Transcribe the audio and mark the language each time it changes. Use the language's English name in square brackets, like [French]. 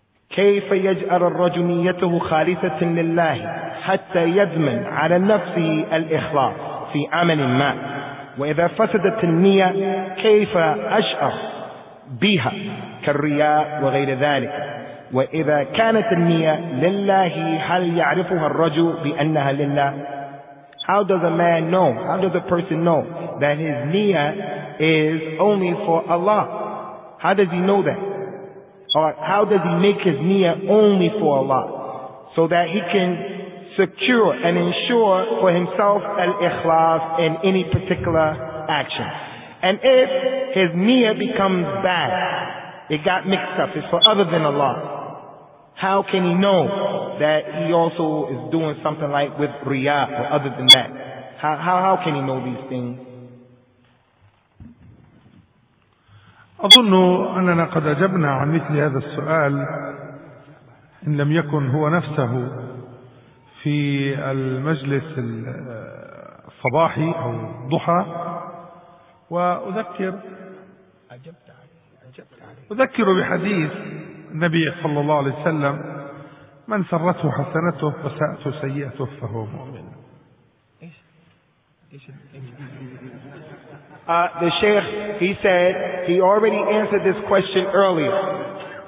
[Arabic] كيف يجعل الرجل نيته خالصة لله حتى يضمن على نفسه الإخلاص في عمل ما وإذا فسدت النية كيف أشعر بها كالرياء وغير ذلك وإذا كانت النية لله هل يعرفها الرجل بأنها لله. [English] How does a man know, how does a person know that his niyyah is only for Allah? How does he know that? Or how does he make his niyyah only for Allah? So that he can secure and ensure for himself al-ikhlas in any particular action. And if his niyyah becomes bad, it got mixed up, it's for other than Allah, how can he know that he also is doing something like with riya or other than that? How can he know these things? [Arabic] أظن أننا قد أجبنا عن مثل هذا السؤال إن لم يكن هو نفسه في المجلس الصباحي أو الضحى. وأذكر أذكر بحديث النبي صلى الله عليه وسلم: من سرته حسنته وساءته سيئته فهو مؤمن. [English] The Sheikh, he said, he already answered this question earlier.